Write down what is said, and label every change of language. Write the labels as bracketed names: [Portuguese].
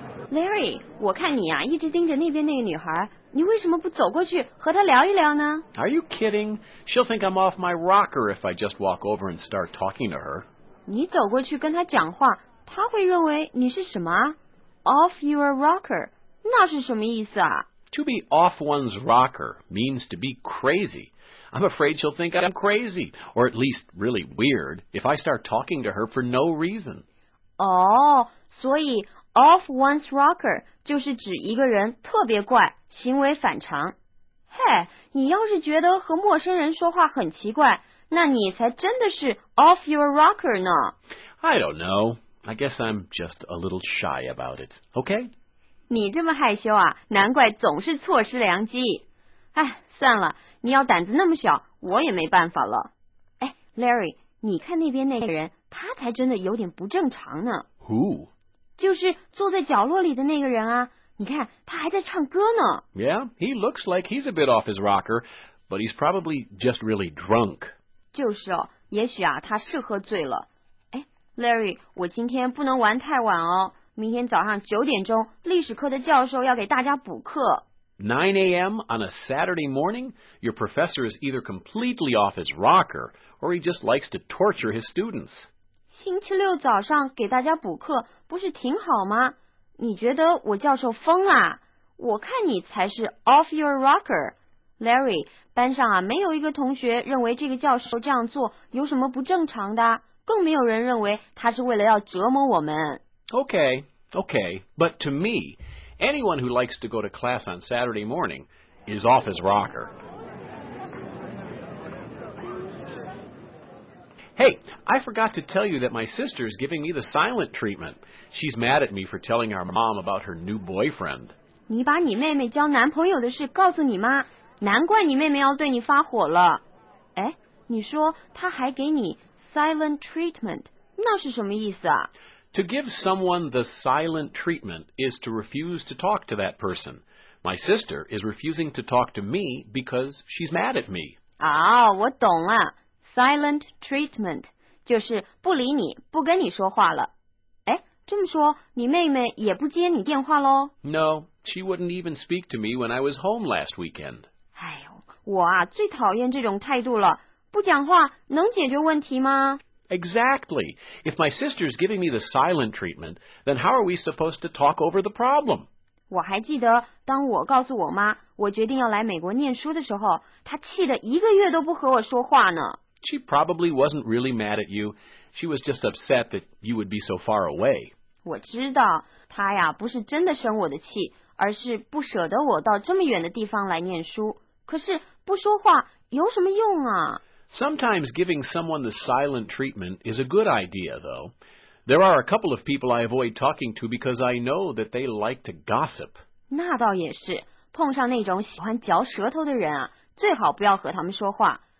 [Chinese] Larry， 我看你啊，一直盯着那边那个女孩，你为什么不走过去和她聊一聊呢？ [English] Are you kidding? She'll think I'm off my rocker if I just walk over and start talking to her. [Chinese] 你走过去跟她讲话，她会认为你是什么？ [English] Off your rocker， [Chinese] 那是什么意思啊？ [English] To be off one's rocker means to be crazy. I'm afraid she'll think I'm crazy, or at least really weird, if I start talking to her for no reason. [Chinese] 哦、oh, ，所以 [English] Off one's rocker [Chinese] 就是指一个人特别怪，行为反常。 Hey, 你要是觉得和陌生人说话很奇怪，那你才真的是 [English] off your rocker [Chinese] 呢。 [English] I don't know. I guess I'm just a little shy about it. Okay? [Chinese] 你这么害羞啊，难怪总是错失良机。哎，算了，你要胆子那么小，我也没办法了。哎 ，Larry， 你看那边那个人，他才真的有点不正常呢。 [English] Who? [Chinese] 就是坐在角落里的那个人啊，你看他还在唱歌呢。 [English] Yeah, he looks like he's a bit off his rocker, but he's probably just really drunk. [Chinese] 就是哦，也许啊，他是喝醉了。哎 ，Larry， 我今天不能玩太晚哦，明天早上9点钟，历史课的教授要给大家补课。 [English] 9 a.m. on a Saturday morning, your professor is either completely off his rocker, or he just likes to torture his students. [Chinese] 星期六早上给大家补课不是挺好吗？你觉得我教授疯啦？我看你才是 [English] off your rocker。 [Chinese] Larry， 班上啊没有一个同学认为这个教授这样做有什么不正常的，更没有人认为他是为了要折磨我们。 [English] Okay, but to me, anyone who likes to go to class on Saturday morning is off his rocker. Hey, I forgot to tell you that my sister is giving me the silent treatment. She's mad at me for telling our mom about her new boyfriend. [Chinese] 你把你妹妹交男朋友的事告诉你妈，难怪你妹妹要对你发火了。哎，你说她还给你 [English] silent treatment， [Chinese] 那是什么意思啊？ [English] To give someone the silent treatment is to refuse to talk to that person. My sister is refusing to talk to me because she's mad at me. [Chinese] 哦，我懂了。 [English] Silent treatment [Chinese] 就是不理你，不跟你说话了。哎，这么说，你妹妹也不接你电话喽 [English] ？No, she wouldn't even speak to me when I was home last weekend. [Chinese] 哎呦，我啊最讨厌这种态度了，不讲话能解决问题吗 [English] ？Exactly. If my sister's giving me the silent treatment, then how are we supposed to talk over the problem? [Chinese] 我还记得，当我告诉我妈我决定要来美国念书的时候，她气得一个月都不和我说话呢。 [English] She probably wasn't really mad at you. She was just upset that you would be so far away. [Chinese] 我知道，她呀不是真的生我的气，而是不舍得我到这么远的地方来念书。可是不说话有什么用啊？ [English] Sometimes giving someone the silent treatment is a good idea, though. There are a couple of people I avoid talking to because I know that they like to gossip. [Chinese] 那倒也是，碰上那种喜欢嚼舌头的人啊，最好不要和他们说话。